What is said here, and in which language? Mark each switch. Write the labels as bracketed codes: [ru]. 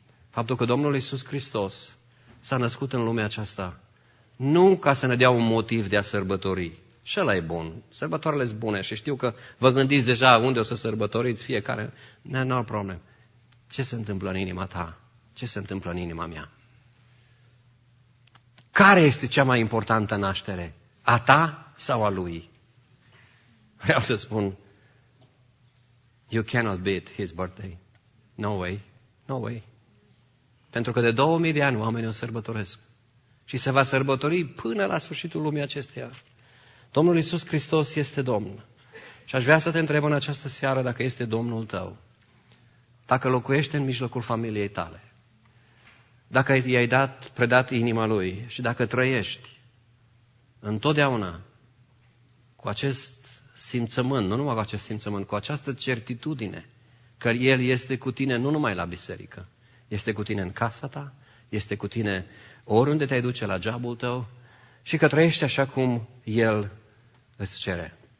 [ro] Faptul că Domnul Iisus Hristos s-a născut în lumea aceasta, nu ca să ne dea un motiv de a sărbători. Și ăla e bun. Sărbătoarele sunt bune și știu că vă gândiți deja unde o să sărbătoriți fiecare. [en] No problem. [ro] Ce se întâmplă în inima ta? Ce se întâmplă în inima mea? Care este cea mai importantă naștere? A ta sau a lui? Vreau să spun, [en] you cannot beat his birthday. No way. No way. [ro] Pentru că de 2000 de ani oamenii o sărbătoresc. Și se va sărbători până la sfârșitul lumii acesteia. Domnul Iisus Hristos este Domn. Și aș vrea să te întreb în această seară dacă este Domnul tău. Dacă locuiește în mijlocul familiei tale. Dacă i-ai predat inima lui și dacă trăiești întotdeauna cu acest simțământ, nu numai cu acest simțământ, cu această certitudine că El este cu tine nu numai la biserică, este cu tine în casa ta, este cu tine oriunde te-ai duce la jobul tău și că trăiești așa cum El îți cere.